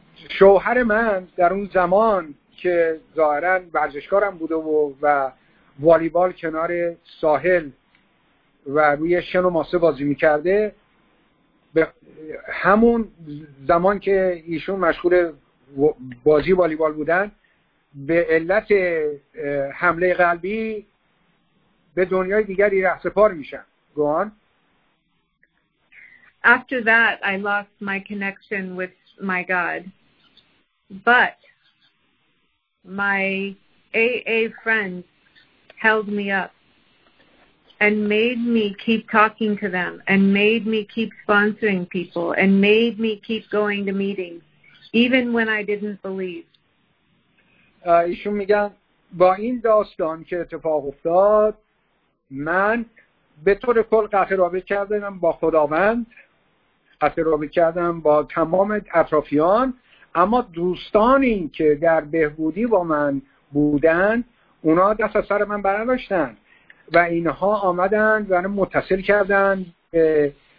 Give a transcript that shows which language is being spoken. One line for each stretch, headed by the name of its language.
Persian: شوهر من در اون زمان که ظاهراً ورزشکارم بوده و والیبال کنار ساحل و روی شن و ماسه بازی میکرده، همون زمان که ایشون مشغول بازی والیبال بودن به علت حمله قلبی به دنیای دیگری راه سپار میشن.
English: Go on. After that, I lost my connection with my God. But my AA friends held me up and made me keep talking to them and made me keep sponsoring people and made me keep going to meetings, even when I didn't believe.
Persian: ایشون میگن با این داستان که اتفاق افتاد، من به طور کل قطع رابطه کردم با خداوند، قطع رابطه کردم با تمام اطرافیان، اما دوستانی که در بهبودی با من بودن اونا دست از سر من برداشتن و اینها آمدن و من متصل کردن به